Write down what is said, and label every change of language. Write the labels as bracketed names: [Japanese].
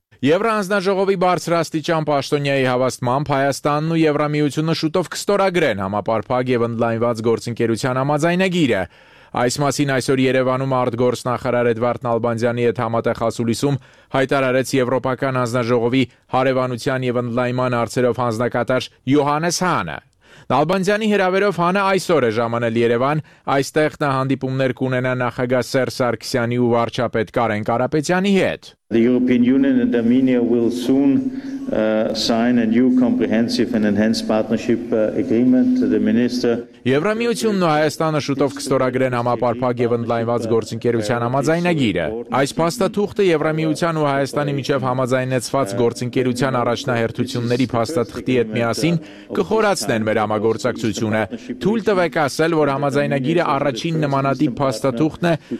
[Armenian] Եվրանձնաժողովի բարձրաստիճան Պաշտոնյայի հավաստմամբ Հայաստանն ու Եվրամիությունը շուտով կստորագրեն համապարփակ և ընդլայնված գործընկերության համաձայնագիրը։ Այս մասին այսօր Երևանում արտգործնախարար Էդվարդ Նալբանդյանի հետ համատեղ հասուլիսում հայտարարեց Եվրոպական հանձնաժողովի հարևանության և ընդլայնման հարցերով հանձնակատար Յոհանես Հանը։ Նալբանդյանի հրավերով Հանը այսօր է ժամանել Երևան, այստեղ նա հանդիպումներ կունենա նախագահ Սերժ Սարգսյանի ու վարչապետ Կարեն Կարապետյանի հետ։ [English] The European Union and Armenia will soon sign a new comprehensive and enhanced partnership agreement. The minister. [Armenian] Եվրամիությունն ու Հայաստանը շուտով կստորագրեն համապարփակ և ընդլայնված գործընկերության համաձայնագիրը։ Այս փաստաթուղթը Եվրամիության ու Հայաստանի միջև համաձայնեցված գործընկերության առաջնահերթությունների փաստաթղթի հետ միասին կխորացնեն մեր համագործակցությունը։ Թույլ տվեք ասել, որ համաձայնագիրը առաջին նմանատիպ փաստաթուղթն է,